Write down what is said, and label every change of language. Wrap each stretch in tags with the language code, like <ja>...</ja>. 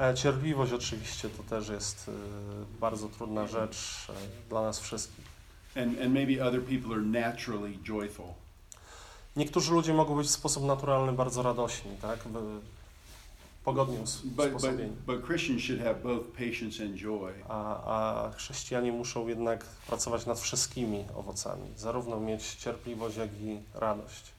<pl>Cierpliwość oczywiście to też jest bardzo trudna rzecz dla nas wszystkich.</pl> <en>And maybe other people are naturally joyful.</en> <pl>Niektórzy ludzie mogą być w sposób naturalny bardzo radośni, tak? Pogodnie usposobieni.</pl> <en>But Christians should have both patience and joy.</en> <pl>A chrześcijanie muszą jednak pracować nad wszystkimi owocami, zarówno mieć cierpliwość, jak i radość.</pl>